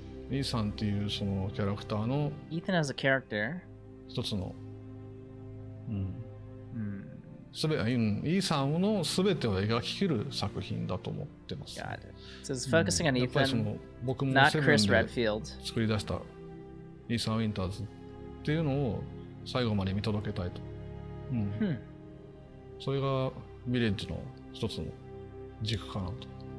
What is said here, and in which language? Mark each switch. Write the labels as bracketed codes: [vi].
[ja] イーサンっていうそのキャラクターの。 [en] Ethan as a character。 [ja] 一つの。すべ、イーサンのすべてを描ききる作品だと思ってます。 [en] God. So it's focusing on Ethan, not Chris Redfield. [ja] 作り出したイーサン・ウィンターズっていうのを最後まで見届けたいと。それがヴィレッジの一つの軸かなと。